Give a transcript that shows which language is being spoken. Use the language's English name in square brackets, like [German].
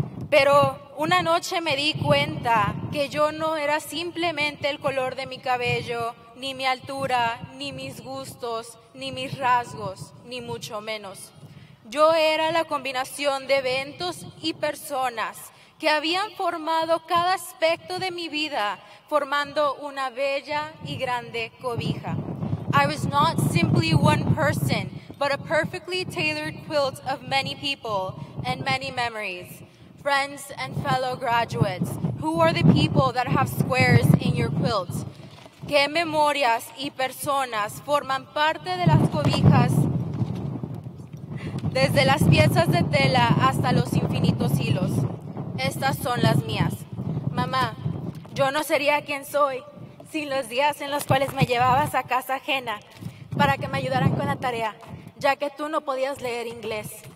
[Spanish] Pero una noche me di cuenta que yo no era simplemente el color de mi cabello, ni mi altura, ni mis gustos, ni mis rasgos, ni mucho menos. Yo era la combinación de eventos y personas que habían formado cada aspecto de mi vida, formando una bella y grande cobija. [English] I was not simply one person, but a perfectly tailored quilt of many people and many memories. Friends and fellow graduates, who are the people that have squares in your quilt? [Spanish] ¿Qué memorias y personas forman parte de las cobijas, desde las piezas de tela hasta los infinitos hilos? Estas son las mías. Mamá, yo no sería quien soy sin los días en los cuales me llevabas a casa ajena para que me ayudaran con la tarea, ya que tú no podías leer inglés.